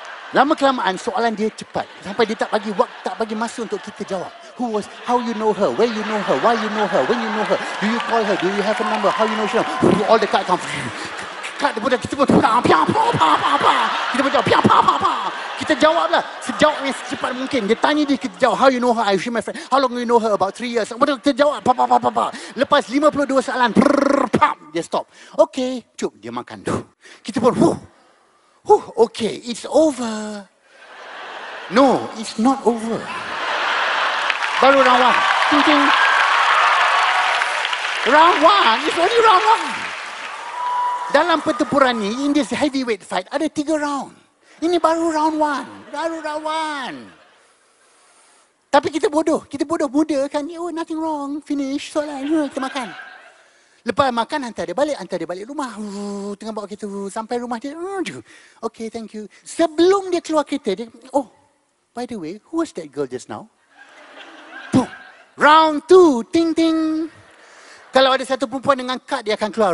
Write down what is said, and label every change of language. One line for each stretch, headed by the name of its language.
Malay: Lama kelamaan soalan dia cepat sampai dia tak bagi waktu, tak bagi masa untuk kita jawab.
English: Who was, how you know her, where you know her, why you know her, when you know her, do you call her, do you have her number, how you know she know? All the card come.
Malay: Card pun dah, kita pun tukang, piang, pa, pa, pa, pa. Kita pun jawab, piang, pa, pa, pa. Kita jawablah sejauh yang secepat mungkin. Dia tanya dia, kita jawab,
English: how you know her, I see my friend, how long you know her, about 3 years.
Malay: Kemudian kita jawab, pa, pa, pa, pa, pa. Lepas 52 soalan, prrrr, pam, dia stop. Okay, cuk, dia makan tu. Kita pun, whoo. Huh,
English: okay, it's over. No, it's not over. Baru round one. Ting, ting. Round one, it's only round one.
Malay: Dalam pertempuran ni,
English: in this heavyweight fight,
Malay: ada 3 round. Ini baru round one. Baru round one. Tapi kita bodoh. Kita bodoh, muda kan.
English: Oh, nothing wrong. Finish.
Malay: Soalan, kita makan. Lepas makan, hantar dia balik. Hantar dia balik rumah. Tengah bawa kereta. Sampai rumah dia.
English: Okay, thank you.
Malay: Sebelum dia keluar kereta, dia...
English: Oh, by the way, who was that girl just now? Boom. Round two. Ting, ting.
Malay: Kalau ada satu perempuan dengan kad, dia akan keluar.